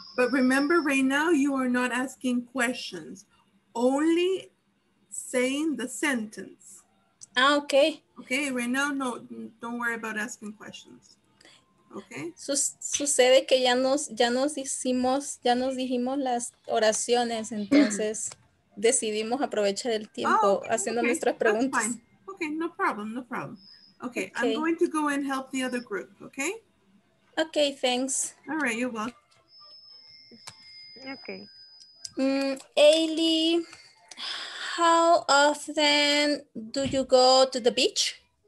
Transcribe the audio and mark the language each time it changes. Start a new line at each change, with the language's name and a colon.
English: But remember right now you are not asking questions, only saying the sentence. Okay. Okay, right now no, don't worry about asking questions. Okay.
Spanish: Sucede que ya nos dijimos las oraciones, entonces decidimos aprovechar el tiempo haciendo nuestras preguntas.
English: That's fine. Okay, no problem. Okay, I'm going to go and help the other group, okay? Okay, thanks. All right, you're welcome. Okay. Ailey, how often do you go to the beach?